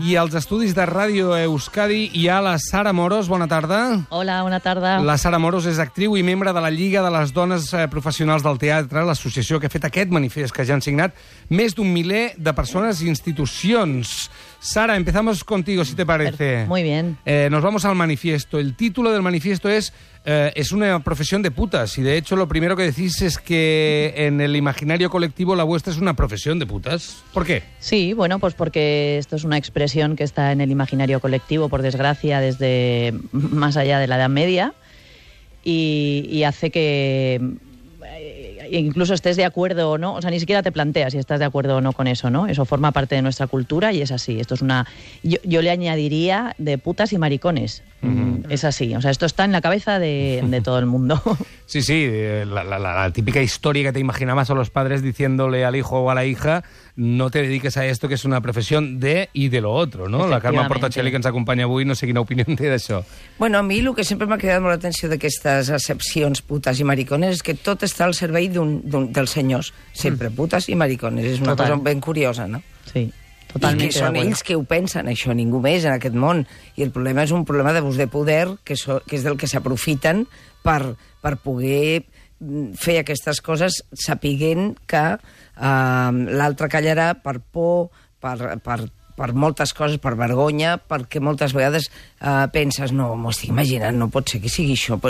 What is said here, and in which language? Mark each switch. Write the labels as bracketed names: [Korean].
[Catalan] I als estudis de Ràdio Euskadi hi ha la Sara Moros. Bona tarda. Hola, bona tarda. La Sara Moros és actriu i membre de la Lliga de les Dones Professionals del Teatre, l'associació que ha fet aquest manifest que ja han signat més d'un miler de persones i institucions. [Spanish] Sara, empezamos contigo, si te parece. Muy bien. Nos vamos al manifiesto. El título del manifiesto es una profesión de putas. Y de hecho, lo primero que decís es que en el imaginario colectivo la vuestra es una profesión de putas. ¿Por qué? Sí, bueno, pues porque esto es una expresión que está en el imaginario colectivo, por desgracia, desde más allá de la Edad Media. Y hace que... incluso estés de acuerdo o no, o sea, ni siquiera te planteas si estás de acuerdo o no con eso, ¿no? Eso forma parte de nuestra cultura y es así. Esto es una... Yo le añadiría de putas y maricones. Uh-huh. Es así. O sea, esto está en la cabeza de todo el mundo. Sí, sí. La típica historia que te imaginabas a los padres diciéndole al hijo o a la hija, no te dediques a esto, que es una profesión de y de lo otro, ¿no? [Catalan] La Carme Portacelli, que ens acompanya avui, no sé quina opinió té d'això. Bueno, a mi el que sempre m'ha cridat molt l'atenció d'aquestes accepcions putes i maricones és que tot està al servei dels senyors. Sempre putes i maricones. És una total. Cosa ben curiosa, no? Sí. Totalment. I que són ells que ho pensen, això, ningú més en aquest món. I el problema és un problema d'abús de poder, que és del que s'aprofiten per poder fer aquestes coses sapiguent que l'altre callarà per por, per moltes coses, per vergonya, perquè moltes vegades penses, no, m'ho estic imaginant, no pot ser que sigui això.